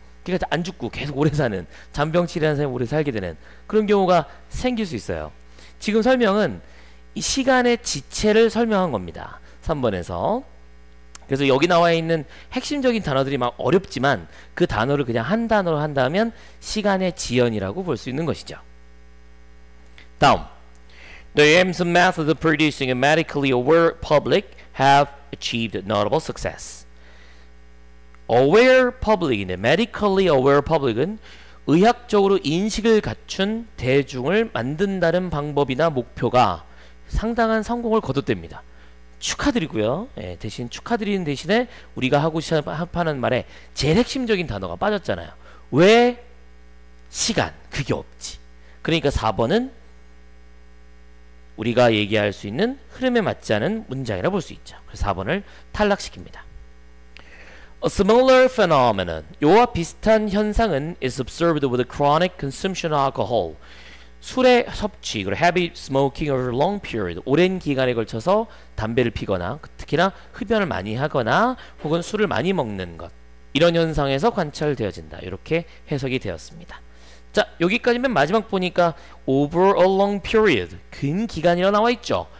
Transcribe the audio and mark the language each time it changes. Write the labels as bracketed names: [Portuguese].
[Korean] 그러니까 안 죽고 계속 오래 사는 잔병치레한 삶을 오래 살게 되는 그런 경우가 생길 수 있어요. 지금 설명은 이 시간의 지체를 설명한 겁니다. 3번에서 그래서 여기 나와 있는 핵심적인 단어들이 막 어렵지만 그 단어를 그냥 한 단어로 한다면 시간의 지연이라고 볼 수 있는 것이죠. [English] 다음 The aims and methods of producing a medically aware public have achieved notable success. Aware public, medically aware public [Korean] 은 의학적으로 인식을 갖춘 대중을 만든다는 방법이나 목표가 상당한 성공을 거뒀답니다. 축하드리고요. 예, 대신 축하드리는 대신에 우리가 하고 싶어하는 말에 제일 핵심적인 단어가 빠졌잖아요. 왜 시간 그게 없지? 그러니까 4번은 우리가 얘기할 수 있는 흐름에 맞지 않은 문장이라 볼 수 있죠. 그래서 4번을 탈락시킵니다. [English] A similar phenomenon, [Korean] 이와 비슷한 현상은 [English] is observed with a chronic consumption of alcohol. [Korean] 술의 섭취, 그리고 [English] heavy smoking over a long period, [Korean] 오랜 기간에 걸쳐서 담배를 피거나, 특히나 흡연을 많이 하거나, 혹은 술을 많이 먹는 것. 이런 현상에서 관찰되어진다. 이렇게 해석이 되었습니다. 자, 여기까지면 마지막 보니까 [English] over a long period, [Korean] 긴 기간이라고 나와있죠.